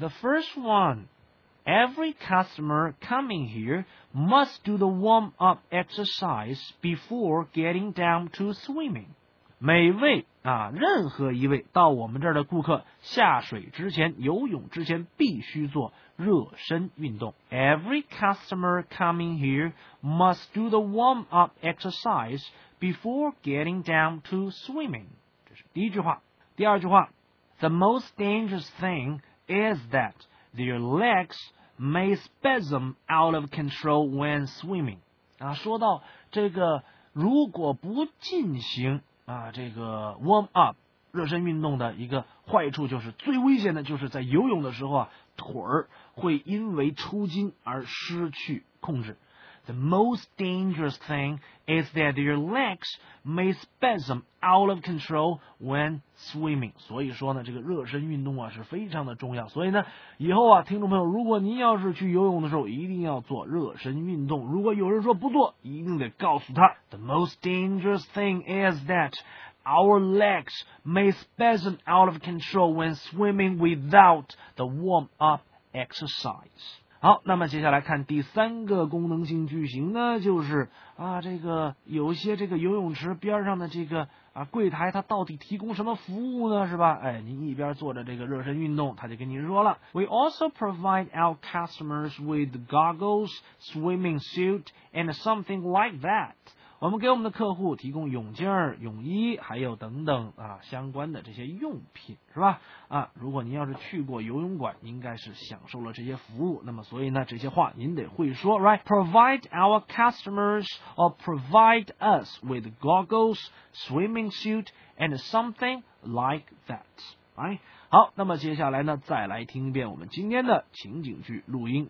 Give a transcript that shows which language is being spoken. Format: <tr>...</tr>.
<en>The first one, every customer coming here must do the warm up exercise before getting down to swimming.</en> <zh>每位啊，任何一位到我们这儿的顾客下水之前、游泳之前必须做热身运动。</zh> <en>Every customer coming here must do the warm up exercise before getting down to swimming.</en> <zh>第一句话，第二句话</zh> <en>，The most dangerous thing is that their legs may spasm out of control when swimming。</en> <zh>啊，说到这个，如果不进行啊这个 warm up 热身运动的一个坏处，就是最危险的就是在游泳的时候啊，腿儿会因为抽筋而失去控制。</zh> <en>The most dangerous thing is that your legs may spasm out of control when swimming.</en> <zh>所以说呢，这个热身运动啊是非常的重要。所以呢，以后啊，听众朋友，如果您要是去游泳的时候，一定要做热身运动。如果有人说不做，一定得告诉他</zh> <en>，The most dangerous thing is that our legs may spasm out of control when swimming without the warm up exercise.</en> <zh>好，那么接下来看第三个功能性句型呢，就是啊，这个有些这个游泳池边上的这个啊柜台，它到底提供什么服务呢？是吧？哎，您一边做着这个热身运动，他就跟您说了</zh> <en>，We also provide our customers with goggles, swimming suit, and something like that。</en> <zh>我们给我们的客户提供泳镜、泳衣，还有等等啊相关的这些用品，是吧？啊，如果您要是去过游泳馆，应该是享受了这些服务。那么，所以呢，这些话您得会说 ，</zh> <en>right? Provide our customers or provide us with goggles, swimming suit, and something like that. Right?</en> <zh>好，那么接下来呢，再来听一遍我们今天的情景剧录音。</zh>